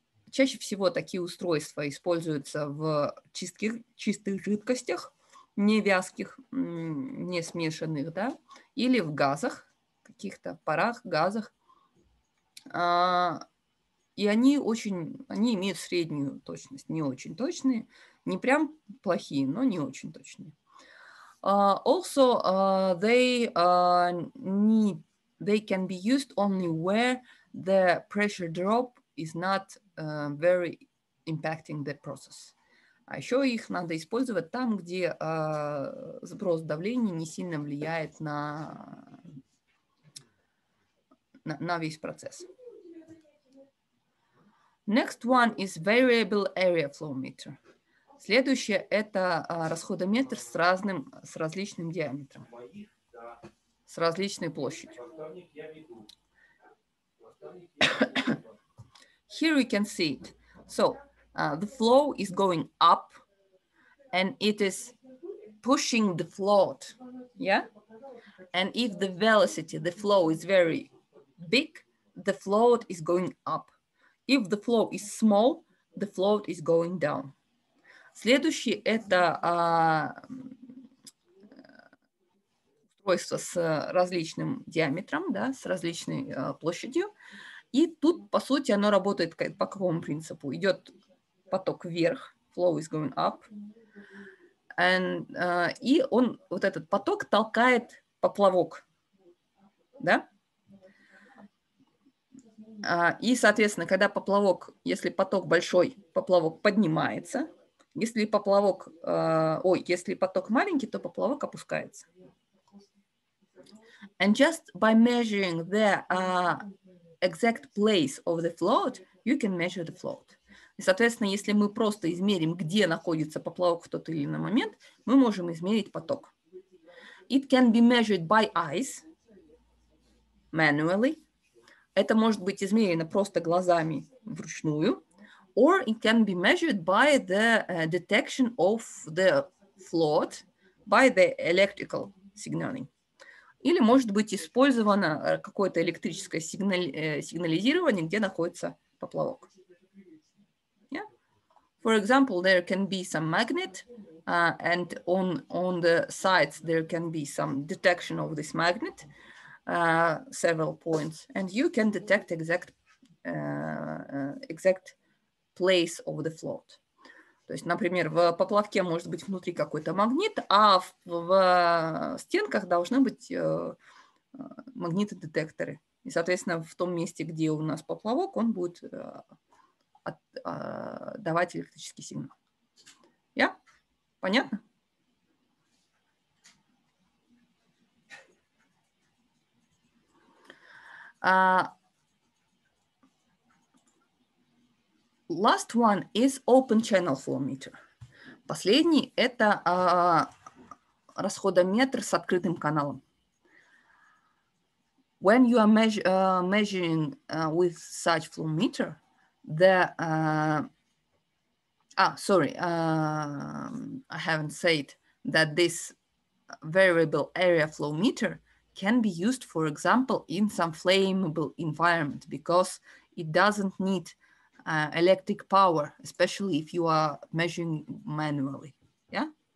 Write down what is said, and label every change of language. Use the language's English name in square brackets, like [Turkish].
[Russian] Чаще всего такие устройства используются в чистых жидкостях, не вязких, не смешанных, да, или в газах, каких-то парах, газах. И они очень, они имеют среднюю точность, не очень точные, не прям плохие, но не очень точные. [English] Also, they can be used only where the pressure drop is not very impacting the process. [Russian] А еще их надо использовать там, где сброс давления не сильно влияет на весь процесс. [English] Next one is variable area flow meter. [Russian] Следующее – это расходометр с разным, с различным диаметром, с различной площадью. [English] Here we can see it. So, the flow is going up, and it is pushing the float, yeah? And if the velocity, the flow is very big, the float is going up. If the flow is small, the float is going down. [Russian] Следующий – это устройство с различным диаметром, да, с различной площадью. И тут, по сути, оно работает по какому принципу? Идет поток вверх, [English] flow is going up. [Russian] And, и он, вот этот поток, толкает поплавок. Да? И, соответственно, когда поплавок, если поток большой, поплавок поднимается. Если поплавок, если поток маленький, то поплавок опускается. [English] And just by measuring the exact place of the float, you can measure the float. [Russian] И, соответственно, если мы просто измерим, где находится поплавок в тот или иной момент, мы можем измерить поток. [English] It can be measured by eyes, manually. [Russian] Это может быть измерено просто глазами вручную. [English] Or it can be measured by the detection of the float by the electrical signaling. [Russian] Или может быть использовано какое-то электрическое сигнализирование, где находится поплавок. [English] Yeah? For example, there can be some magnet, and on the sides there can be some detection of this magnet, several points, and you can detect exact place of the float. [Russian] То есть, например, в поплавке может быть внутри какой-то магнит, а в стенках должны быть магнитодетекторы. И, соответственно, в том месте, где у нас поплавок, он будет давать электрический сигнал. Я? Понятно? [English] Last one is open channel flow meter. [Russian] Последний – это расходометр с открытым каналом. [English] When you are measuring with such flow meter, I haven't said that this variable area flow meter can be used, for example, in some flammable environment because it doesn't need electric power, especially if you are measuring manually, yeah?